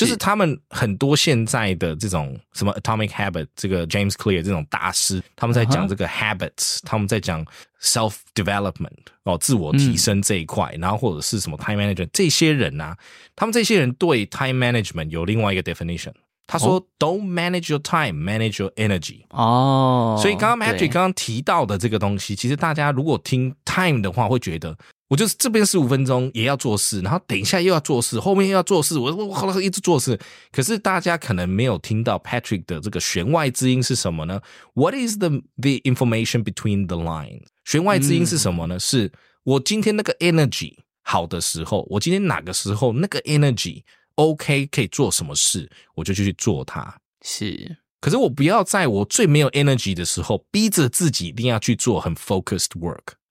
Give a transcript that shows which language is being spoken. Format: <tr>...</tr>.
<zh>就是他们很多现在的这种什么 Atomic Habit， 这个 James Clear 这种大师，他们在讲这个 Habits、uh-huh、他们在讲 Self Development、哦、自我提升这一块、嗯、然后或者是什么 Time Management， 这些人啊，他们这些人对 Time Management 有另外一个 definition，他说、oh?</zh> <en>Don't manage your time, manage your energy、 oh,</en> <zh>所以刚刚 Patrick 刚刚提到的这个东西，其实大家如果听 time 的话会觉得我就是这边15分钟也要做事，然后等一下又要做事，后面又要做事，我一直做事。可是大家可能没有听到 Patrick 的这个弦外之音是什么呢？</zh> <en>What is the information between the lines？</en> <zh>弦外之音是什么呢、嗯、是我今天那个 energy 好的时候，我今天哪个时候那个 energyOK， 可以做什么事我就去做它。是，可是我不要在我最没有 energy 的时候逼着自己一定要去做很</zh> <en>focused work。</en>